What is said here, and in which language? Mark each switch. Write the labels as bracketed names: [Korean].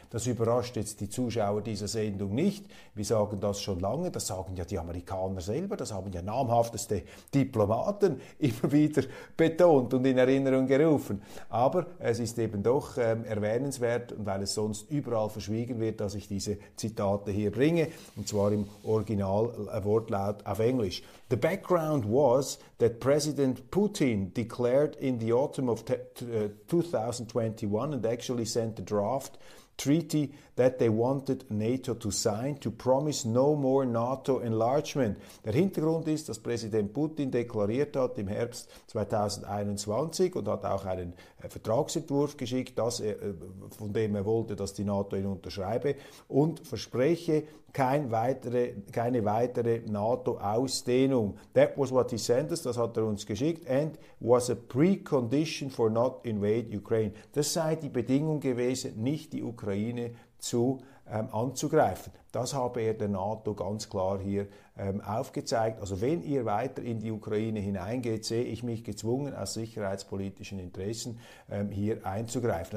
[German] Das überrascht jetzt die Zuschauer dieser Sendung nicht. Wir sagen das schon lange, das sagen ja die Amerikaner selber, das haben ja namhafteste Diplomaten immer wieder betont und in Erinnerung gerufen. Aber es ist eben doch erwähnenswert, und weil es sonst überall verschwiegen wird, dass ich diese Zitate hier bringe, und zwar im Original-Wortlaut auf Englisch. [English] The background was that President Putin declared in the autumn of 2021 and actually sent a draft treaty that they wanted NATO to sign to promise no more NATO enlargement. [German] Der Hintergrund ist, dass Präsident Putin deklariert hat im Herbst 2021 und hat auch einen Vertragsentwurf geschickt, von dem er wollte, dass die NATO ihn unterschreibe und verspreche keine weitere NATO-Ausdehnung. [English] That was what he sent us, [German] das hat er uns geschickt, [English] and was a precondition for not invade Ukraine. [German] Das sei die Bedingung gewesen, nicht die Ukraine anzugreifen. Das habe er der NATO ganz klar hier aufgezeigt. Also wenn ihr weiter in die Ukraine hineingeht, sehe ich mich gezwungen, aus sicherheitspolitischen Interessen hier einzugreifen.